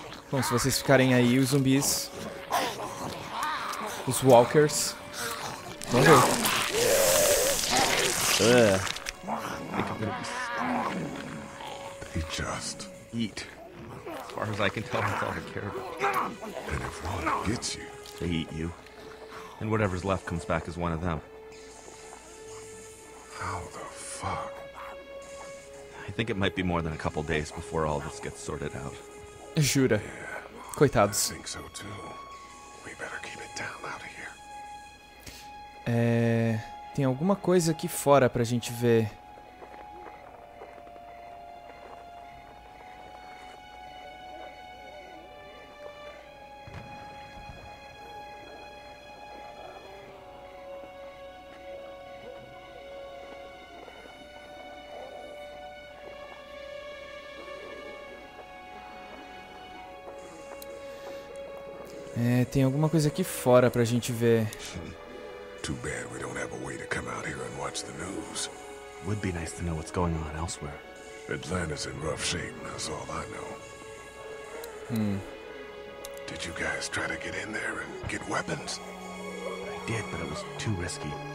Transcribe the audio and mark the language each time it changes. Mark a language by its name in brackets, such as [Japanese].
[Portuguese] Bom, se vocês ficarem aí, os zumbis, os walkers, vão ver. [English] They just eat. As far as I can tell, that's all they care about. And if one gets you, they eat you. And whatever's left comes back as one of them. How the fuck? I think it might be more than a couple days before all this gets sorted out. [Portuguese] Jura. Coitados. [English] Think so too. We better keep it down out of here. [Portuguese] Tem alguma coisa aqui fora pra gente ver. Tem alguma coisa aqui fora pra gente ver. [English] too bad we don't have a way to come out here and watch the news. Would be nice to know what's going on elsewhere. Atlanta's in rough shape, that's all I know. Did you guys try to get in there and get weapons? I did, but it was too risky.